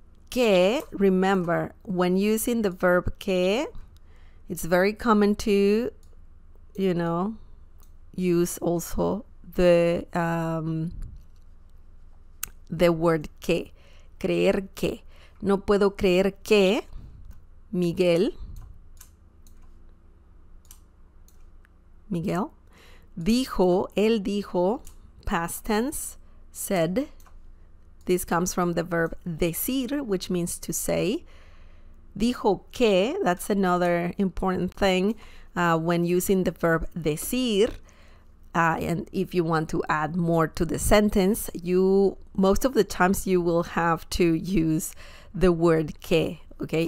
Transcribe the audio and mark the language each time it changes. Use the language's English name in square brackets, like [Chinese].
[English] Que, remember, when using the verb que, it's very common to, you know, use also the word que. [Spanish] Creer que. No puedo creer que Miguel, dijo, él dijo, [English] past tense, said. This comes from the verb decir, which means to say. [Spanish] dijo que, [English] that's another important thing when using the verb decir. And if you want to add more to the sentence, you most of the times you will have to use the word que, okay?